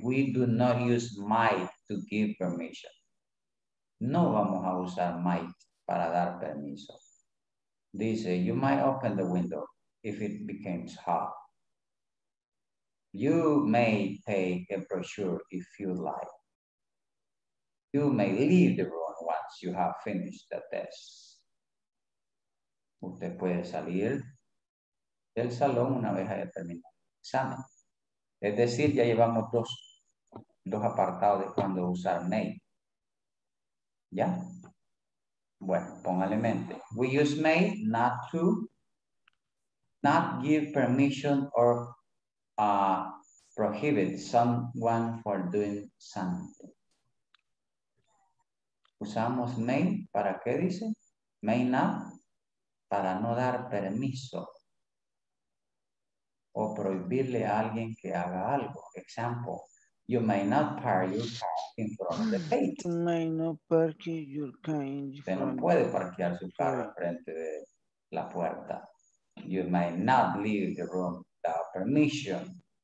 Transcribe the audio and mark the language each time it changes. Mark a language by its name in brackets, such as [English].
[English] We do not use might to give permission. [Spanish] No vamos a usar might para dar permiso. Dice, [English] you might open the window if it becomes hot. You may take a brochure if you like. You may leave the room once you have finished the test. [Spanish] Usted puede salir del salón una vez haya terminado el examen. Es decir, ya llevamos dos apartados de cuando usar may. ¿Ya? Bueno, póngale mente. [English] We use may not to not give permission or prohibit someone for doing something. [Spanish] Usamos may para qué dice? May not para no dar permiso o prohibirle a alguien que haga algo. [English] Example. You may not park your car in front of the gate. You may not park your car in front. [Spanish] Usted no puede parquear su carro frente de la puerta. [English] You may not leave the room without permission.